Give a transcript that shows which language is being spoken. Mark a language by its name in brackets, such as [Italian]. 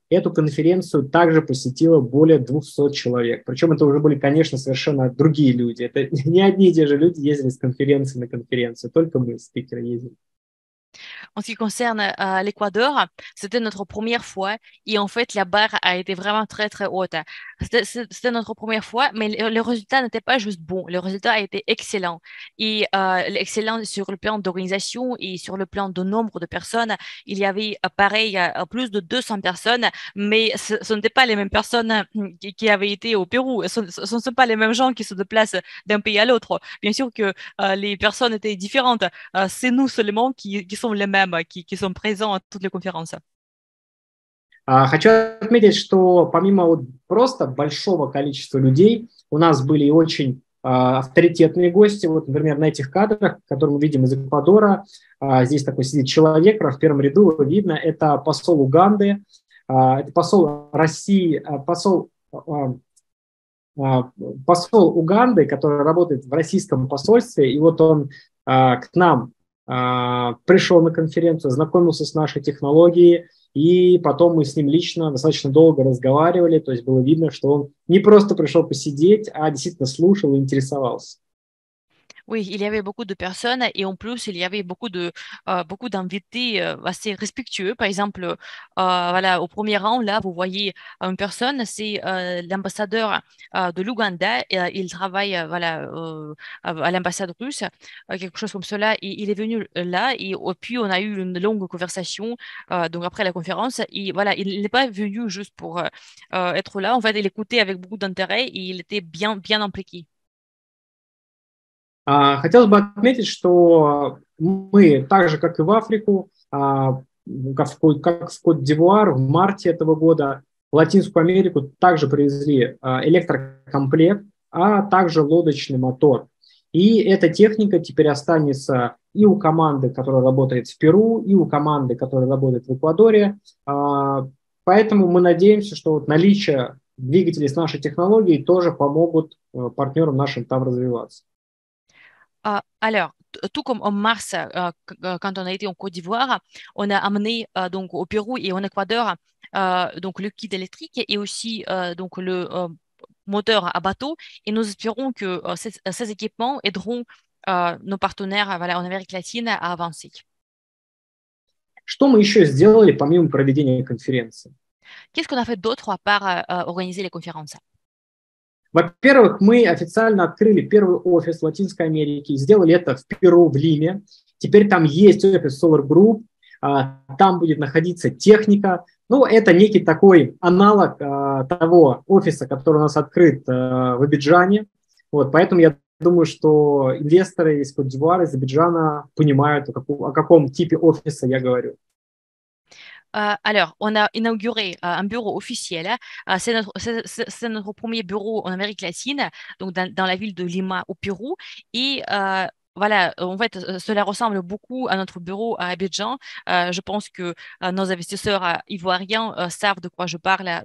[Russian] Эту конференцию также посетило более 200 человек. Причем это уже были, конечно, совершенно другие люди. Это не одни и те же люди ездили с конференции на конференцию, только мы, спикеры, ездили. [French] En ce qui concerne l'Équateur, c'était notre première fois et en fait, la barre a été vraiment très, très haute. C'était notre première fois, mais le résultat n'était pas juste bon. Le résultat a été excellent. Et excellent sur le plan d'organisation et sur le plan de nombre de personnes. Il y avait pareil plus de 200 personnes, mais ce n'étaient pas les mêmes personnes qui avaient été au Pérou. Ce ne sont pas les mêmes gens qui se déplacent d'un pays à l'autre. Bien sûr que les personnes étaient différentes. C'est nous seulement qui sommes les mêmes. Qui sont présents à toutes les conférences. [Russian] Хочу отметить, что помимо вот просто большого количества людей, у нас были и очень авторитетные гости. Вот, например, на этих кадрах, которые мы видим из Эквадора, здесь такой сидит человек, в первом ряду видно, это посол Уганды, это посол России, посол Уганды, который работает в российском посольстве, и вот он к нам пришел на конференцию, знакомился с нашей технологией, и потом мы с ним лично достаточно долго разговаривали, то есть было видно, что он не просто пришел посидеть, а действительно слушал и интересовался. [French] Oui, il y avait beaucoup de personnes et en plus, il y avait beaucoup d'invités assez respectueux. Par exemple, voilà, au premier rang, là, vous voyez une personne, c'est l'ambassadeur de l'Ouganda. Il travaille voilà, à l'ambassade russe, quelque chose comme cela. Et il est venu là et puis on a eu une longue conversation donc après la conférence. Et voilà, il n'est pas venu juste pour être là. En fait, il écoutait avec beaucoup d'intérêt et il était bien, bien impliqué. [Russian] Хотелось бы отметить, что мы так же, как и в Африку, как в Кот-д'Ивуар в марте этого года, в Латинскую Америку также привезли электрокомплект, а также лодочный мотор. И эта техника теперь останется и у команды, которая работает в Перу, и у команды, которая работает в Эквадоре. Поэтому мы надеемся, что вот наличие двигателей с нашей технологией тоже помогут партнерам нашим там развиваться. [French] Alors, tout comme en mars, quand on a été en Côte d'Ivoire, on a amené donc au Pérou et en Équateur donc le kit électrique et aussi donc le moteur à bateau. Et nous espérons que ces équipements aideront nos partenaires voilà, en Amérique latine à avancer. [Russian] Что мы еще сделали помимо проведения конференции? [French] Qu'est-ce qu'on a fait d'autre à part organiser les conférences? [Russian] Во-первых, мы официально открыли первый офис в Латинской Америке, сделали это в Перу, в Лиме. Теперь там есть офис Solar Group, там будет находиться техника. Ну, это некий такой аналог того офиса, который у нас открыт в Абиджане. Вот, поэтому я думаю, что инвесторы из Кот-д'Ивуара, из Абиджана понимают, о каком типе офиса я говорю. [French] Alors, on a inauguré un bureau officiel. C'est notre premier bureau en Amérique latine, donc dans la ville de Lima au Pérou. Et voilà, en fait, cela ressemble beaucoup à notre bureau à Abidjan. Je pense que nos investisseurs ivoiriens savent de quoi je parle.